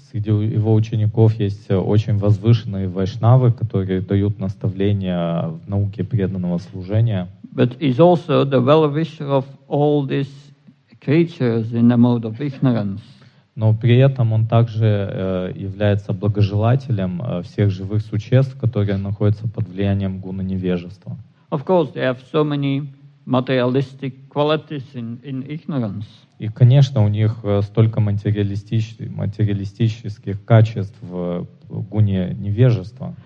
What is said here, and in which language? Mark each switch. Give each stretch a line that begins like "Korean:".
Russian: Среди его учеников есть очень возвышенные вайшнавы, которые дают наставления в науке преданного служения.
English: But he's also the well-wisher of all these creatures in the mode of ignorance.
Russian: Но при этом он также является благожелателем всех живых существ, которые находятся под влиянием гуны невежества.
English: Of course, they have so many materialistic qualities in ignorance.
Russian: И, конечно, у них столько материалистических качеств в гуне невежества.